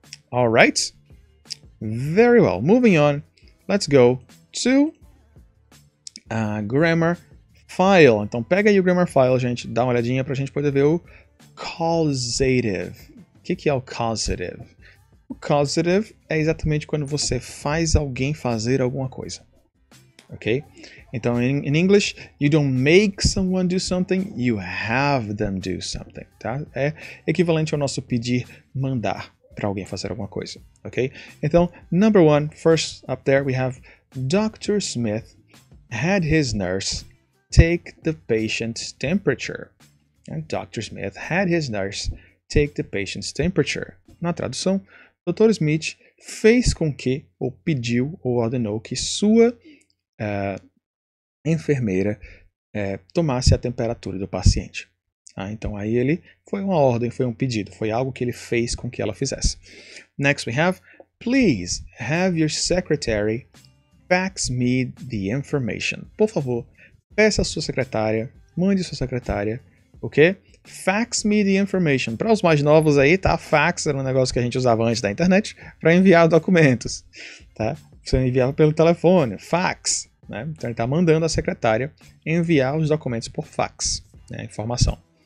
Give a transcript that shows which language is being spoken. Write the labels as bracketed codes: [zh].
[en] Alright? Very well. Moving on. Let's go to a grammar file. [pt] Então pega aí o grammar file, gente. Dá uma olhadinha para a gente poder ver o causative. O que, que é o causative? O causative é exatamente quando você faz alguém fazer alguma coisa. Ok? [en] Então, in English, you don't make someone do something, you have them do something. [pt] Tá? É equivalente ao nosso pedir, mandar para alguém fazer alguma coisa. Ok? [en] Então, number one, first up there, we have Dr. Smith had his nurse take the patient's temperature. And Dr. Smith had his nurse take the patient's temperature. [pt] Na tradução, Dr. Smith fez com que, ou pediu, ou ordenou que sua enfermeira tomasse a temperatura do paciente. Ah, então, aí ele foi uma ordem, foi um pedido, foi algo que ele fez com que ela fizesse. [en] Next we have, please have your secretary fax me the information. [pt] Por favor, peça a sua secretária, mande a sua secretária, ok? [en] Fax me the information. [pt] Para os mais novos aí, tá? Fax era um negócio que a gente usava antes da internet para enviar documentos, tá? Você enviava pelo telefone, fax, né? Então ele está mandando a secretária enviar os documentos por fax, né? Informação.